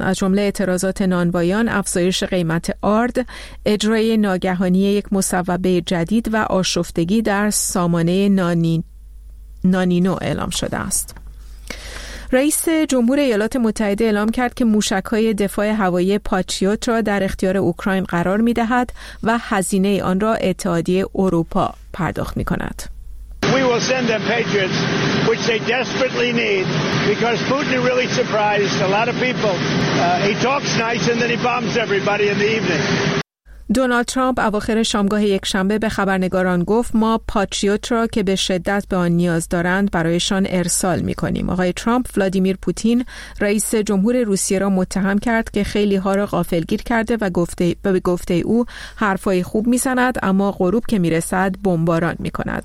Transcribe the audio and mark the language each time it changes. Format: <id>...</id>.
<fa>از جمله اعتراضات نانوایان افزایش قیمت آرد، اجرای ناگهانی یک مصوبه جدید و آشفتگی در سامانه نانینو اعلام شده است. رئیس جمهور ایالات متحده اعلام کرد که موشک‌های دفاع هوایی پاتریوت را در اختیار اوکراین قرار می‌دهد و هزینه آن را اتحادیه اروپا پرداخت می‌کند.</fa> <en>We will send them Patriots, which they desperately need, because Putin really surprised a lot of people. He talks nice and then he bombs everybody in the evening.</en> <fa>دونالد ترامپ اواخر شامگاه یک شنبه به خبرنگاران گفت: ما پاتریوت را که به شدت به آن نیاز دارند برایشان ارسال می‌کنیم. آقای ترامپ ولادیمیر پوتین رئیس جمهور روسیه را متهم کرد که خیلی‌ها را غافلگیر کرده و گفته او حرفای خوب می‌زند اما غروب که می‌رسد بمباران می‌کند.</fa>